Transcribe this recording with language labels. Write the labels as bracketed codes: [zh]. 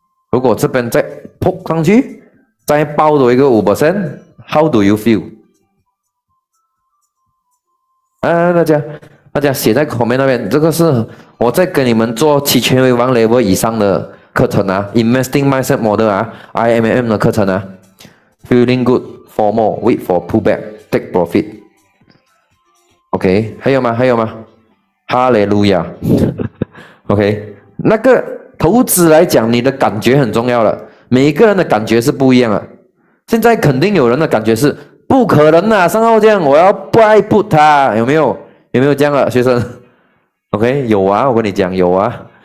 [zh] 如果这边再 poke 上去，再爆多一个 5%， [en] how do you feel？ [zh] 哎、大家写在 comment 那边，这个是我在给你们做期权为王 level 以上的课程啊 ，investing mindset model 啊 ，IMM 的课程啊 ， [en] feeling good。 For more, wait for pullback, take profit. [zh] OK, 还有吗？哈利路亚。 OK, 那个投资来讲，你的感觉很重要了。每个人的感觉是不一样的。现在肯定有人的感觉是不可能啊，上号这样，我要 buy put 它，有没有？有没有这样的学生 ？OK, 有啊，我跟你讲有啊。